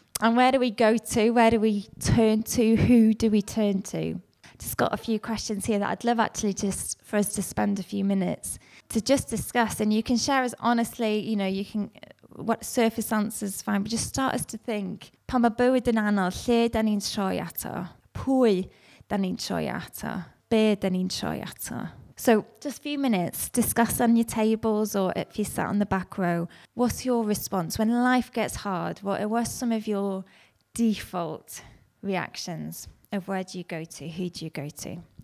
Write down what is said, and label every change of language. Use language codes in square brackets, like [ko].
[en] And where do we go to? Where do we turn to? Who do we turn to? Just got a few questions here that I'd love actually just for us to spend a few minutes to just discuss. And you can share us honestly, you know, you can, what surface answers fine, but just start us to think. [cy] Pan mae bywyd yn anodd, lle dan ni'n troi ato? Pwy dan ni'n troi ato? Be dan ni'n troi ato? [en] So just a few minutes, discuss on your tables or if you sat on the back row. What's your response when life gets hard? What are some of your default reactions? Of where do you go to? Who do you go to?